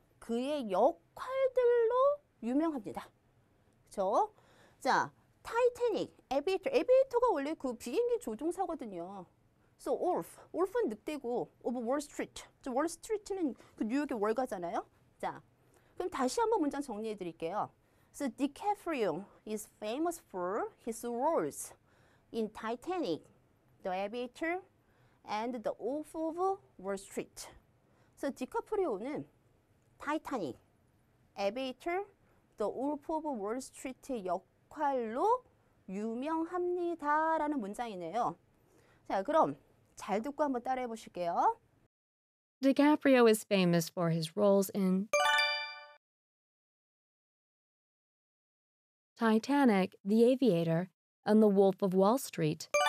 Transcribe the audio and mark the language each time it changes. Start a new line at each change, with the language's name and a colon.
Korean: 그의 역할들로 유명합니다. 그죠? 자, Titanic, Aviator. Aviator가 원래 그 비행기 조종사거든요. So Wolf, Wolf은 늑대고 of Wall Street. So Wall Street는 그 뉴욕의 월가잖아요. 자, 그럼 다시 한번 문장 정리해 드릴게요.
English: So DiCaprio is famous for his roles in Titanic, The Aviator, and The Wolf of Wall Street.
Korean: So DiCaprio는 Titanic, Aviator, The Wolf of Wall Street의 역할로 유명합니다라는 문장이네요. 자, 그럼 잘 듣고 한번 따라해 보실게요.
English: DiCaprio is famous for his roles in Titanic, The Aviator, and The Wolf of Wall Street.